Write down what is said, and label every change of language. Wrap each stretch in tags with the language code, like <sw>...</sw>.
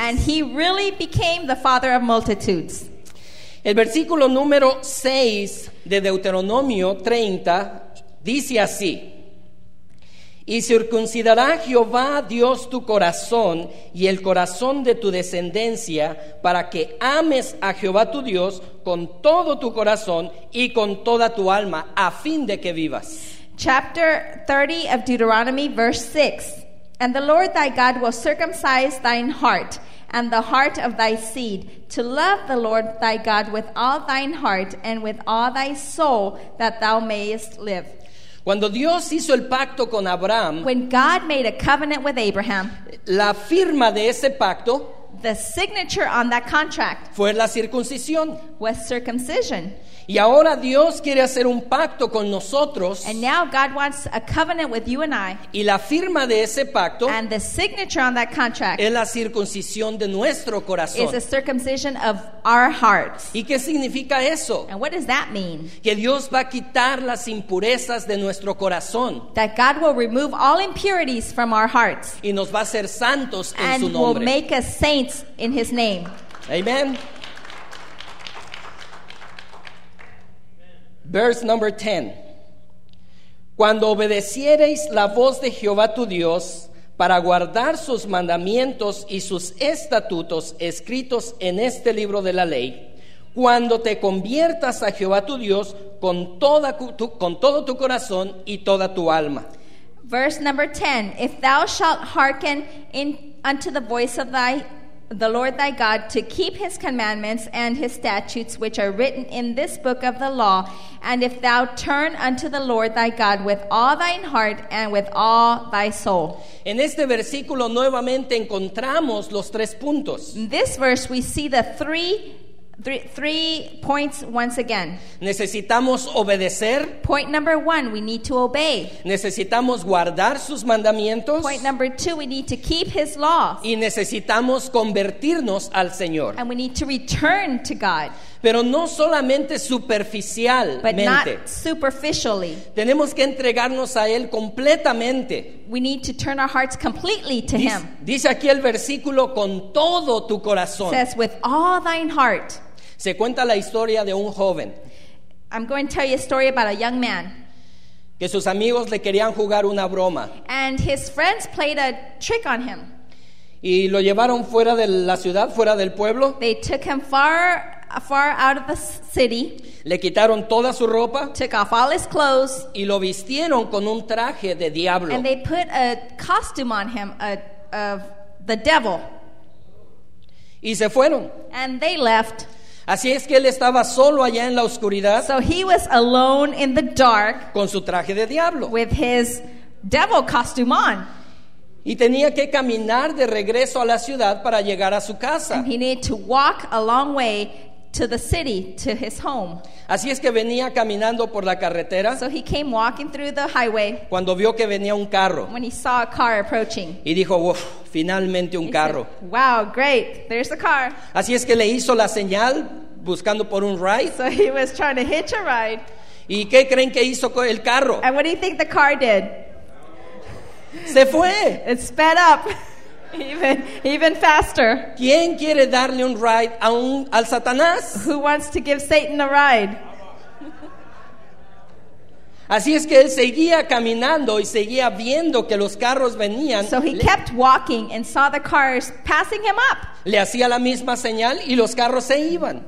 <en>And he really became the father of multitudes.</en> <es>El versículo número 6 de Deuteronomio 30 dice así: Y circuncidará Jehová Dios tu corazón y el corazón de tu descendencia para que ames a Jehová tu Dios con todo tu corazón y con toda tu alma a fin de que vivas.</es> <en>Chapter 30 of Deuteronomy, verse 6. And the Lord thy God will circumcise thine heart and the heart of thy seed to love the Lord thy God with all thine heart and with all thy soul that thou mayest live.</en> <es>Cuando Dios hizo el pacto con Abraham,</es> <en>when God made a covenant with Abraham,</en> <es>la firma de ese pacto,</es> <en>the signature on that contract,</en> <es>fue la circuncisión,</es> <en>was circumcision.</en> <es>Y ahora Dios quiere hacer un pacto con nosotros,</es> <en>and now God wants a covenant with you and I,</en> <es>y la firma de ese pacto,</es> <en>and the signature on that contract,</en> <es>es la circuncisión de nuestro corazón,</es> <en>is a circumcision of our hearts.</en> <es>¿Y qué significa eso?</es> <en>And what does that mean?</en> <es>Que Dios va a quitar las impurezas de nuestro corazón,</es> <en>that God will remove all impurities from our hearts,</en> <es>y nos va a hacer santos en</es> <en>and</en> <es>su nombre,</es> <en>will make us saints in his name. Amen. Verse number 10.</en> <es>Cuando obedeciereis la voz de Jehová tu Dios para guardar sus mandamientos y sus estatutos escritos en este libro de la ley, cuando te conviertas a Jehová tu Dios con todo tu corazón y toda tu alma.</es> <en>Verse number 10, if thou shalt hearken unto the voice of the Lord thy God to keep his commandments and his statutes which are written in this book of the law, and if thou turn unto the Lord thy God with all thine heart and with all thy soul.</en> <es>En este versículo nuevamente encontramos los tres puntos.</es> <en>In this verse we see the three points once again.</en> <es>Necesitamos obedecer.</es> <en>Point number one, we need to obey.</en> <es>Necesitamos guardar sus mandamientos.</es> <en>Point number two, we need to keep his laws.</en> <es>Y necesitamos convertirnos al Señor.</es> <en>And we need to return to God.</en> <es>Pero no solamente superficialmente.</es> <en>But not superficially.</en> <es>Tenemos que entregarnos a él completamente.</es> <en>We need to turn our hearts completely to him.</en> <es>Dice aquí el versículo con todo tu corazón.</es> <en>Says with all thine heart.</en> <es>Se cuenta la historia de un joven.</es> <en>I'm going to tell you a story about a young man.</en> <es>Que sus amigos le querían jugar una broma.</es> <en>And his friends played a trick on him.</en> <es>Y lo llevaron fuera de la ciudad, fuera del pueblo.</es> <en>They took him far out of the city.</en> <es>Le quitaron toda su ropa.</es> <en>Took off all his clothes.</en> <es>Y lo vistieron con un traje de diablo.</es> <en>And they put a costume on him of the devil.</en> <es>Y se fueron.</es> <en>And they left.</en> <es>Así es que él estaba solo allá en la oscuridad.</es> <en>So he was alone in the dark.</en> <es>Con su traje de diablo.</es> <en>With his devil costume on.</en> <es>Y tenía que caminar de regreso a la ciudad para llegar a su casa.</es> <en>And he needed to walk a long way to the city, to his home.</en> <es>Así es que venía caminando por la carretera.</es> <en>So he came walking through the highway.</en> <es>Cuando vio que venía un carro.</es> <en>When he saw a car approaching.</en> <es>Y dijo, uff, finalmente un carro.</es> <en>Said, wow, great, there's the car.</en> <es>Así es que le hizo la señal buscando por un ride.</es> <en>So he was trying to hitch a ride.</en> <es>¿Y qué creen que hizo con el carro?</es> <en>And what do you think the car did?</en> <es>Se fue.</es> <en>It sped up. Even faster.</en> <es>¿Quién quiere darle un ride al Satanás?</es> <en>Who wants to give Satan a ride?</en> <es>Así es que él seguía caminando y seguía viendo que los carros venían.</es> <en>So he kept walking and saw the cars passing him up.</en> <es>Le hacía la misma señal y los carros se iban.</es>